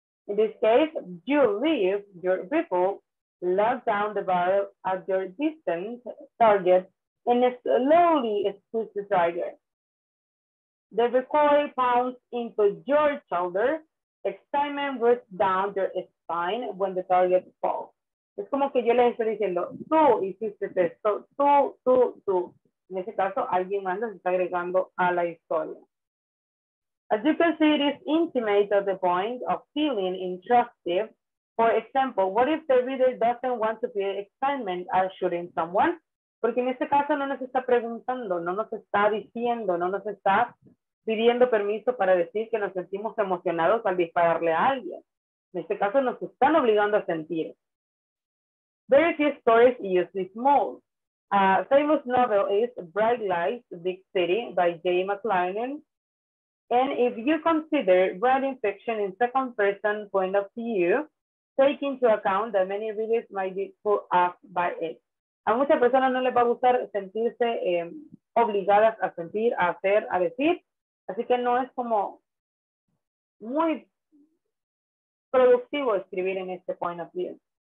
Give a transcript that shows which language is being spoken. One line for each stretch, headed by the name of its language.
English: In this case, you leave your people, lock down the barrel at your distant target, and slowly squeeze the trigger. The recoil pounds into your shoulder, excitement breaks down your spine when the target falls.
Spanish: Es como que yo les estoy diciendo, tú hiciste esto, tú. En ese caso, alguien más nos está agregando a la historia.
English: As you can see, it is intimate at the point of feeling intrusive. For example, what if the reader doesn't want to feel excitement at shooting someone?
Spanish: Porque en este caso no nos está preguntando, no nos está diciendo, no nos está pidiendo permiso para decir que nos sentimos emocionados al dispararle a alguien. En este caso nos están obligando a sentir.
English: Very few stories use this mold. A famous novel is Bright Lights, Big City by Jay McLaren. And if you consider writing fiction in second person point of view, take into account that many readers might be put off by it.
Spanish: A muchas personas no les va a gustar sentirse obligadas a sentir, a hacer, a decir. Así que no es como muy productivo escribir en este
English: point of view.